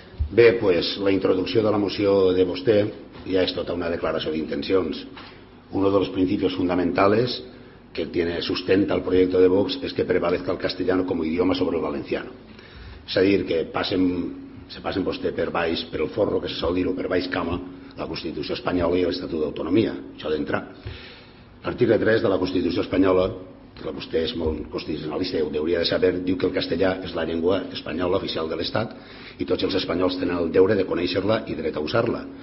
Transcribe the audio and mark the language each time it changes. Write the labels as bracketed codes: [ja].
[ca] Bé, pues, la introducció de la moció de vostè ja és tota una declaració d'intencions. [es] Uno de los principios fundamentales que tiene sustenta el proyecto de Vox es que prevalezca el castellano como idioma sobre el valenciano. Es decir, que pasen, se pasen [ca] vostè per baix, per el forro, que se sol dir, o per baix cama, la Constitució espanyola i l'Estatut d'Autonomia, això d'entrar. L'article 3 de la Constitució espanyola, que vostè és molt constitucionalista i ho hauria de saber, diu que el castellà és la llengua espanyola oficial de l'Estat i tots els espanyols tenen el deure de conèixer-la i dret a usar-la.